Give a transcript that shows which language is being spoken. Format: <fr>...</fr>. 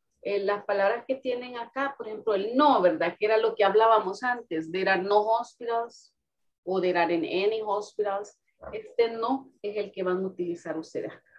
<es>Entonces, las palabras que tienen acá, por ejemplo, el no, ¿verdad? Que era lo que hablábamos antes.</es> <en>There are no hospitals o there are in any hospitals.</en> <es>Este no es el que van a utilizar ustedes.</es>